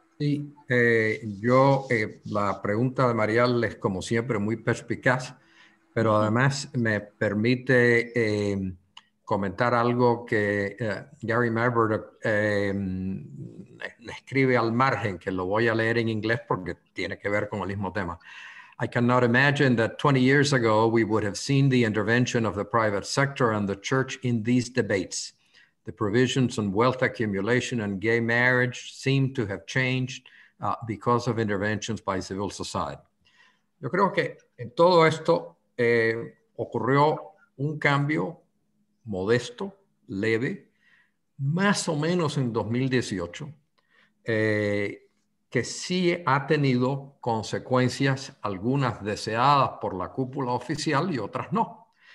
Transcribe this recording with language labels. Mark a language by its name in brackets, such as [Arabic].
[Spanish] Sí, la pregunta de Marial es, como siempre, muy perspicaz, pero además me permite comentar algo que Gary Marbert escribe al margen, que lo voy a leer en inglés porque tiene que ver con el mismo tema. [English] I cannot imagine that 20 years ago we would have seen the intervention of the private sector and the church in these debates. The provisions on wealth accumulation and gay marriage seem to have changed because of interventions by civil society. [Spanish] Yo creo que en todo esto ocurrió un cambio modesto, leve, más o menos en 2018, que sí ha tenido consecuencias, algunas deseadas por la cúpula oficial y otras no.